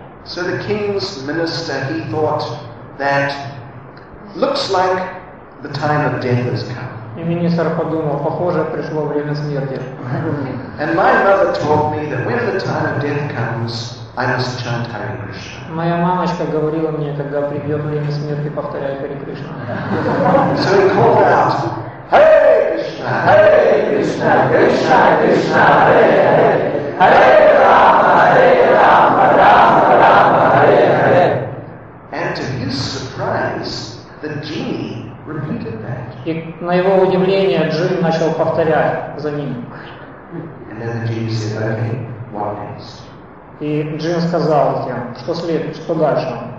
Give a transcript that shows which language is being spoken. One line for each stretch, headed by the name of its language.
English: So the king's minister, he thought that looks like the time of death has come.
Russian: И министр подумал, похоже, пришло время смерти.
English: And my mother told me that when the time of death comes, I must chant Hare Krishna.
Russian: Моя мамочка говорила мне, когда придет время смерти, повторяй Хари Кришна.
English: So he called out, Hare Krishna, Hare Krishna, Krishna Krishna, Hare Hare, Hare Rama, Hare Rama, Rama Rama, Hare Hare. And to his surprise, the genie repeated that.
Russian: И на его удивление джин начал повторять за ним.
English: And then the genie said, okay, what next?
Russian: И джин сказал тем, что следует, что дальше.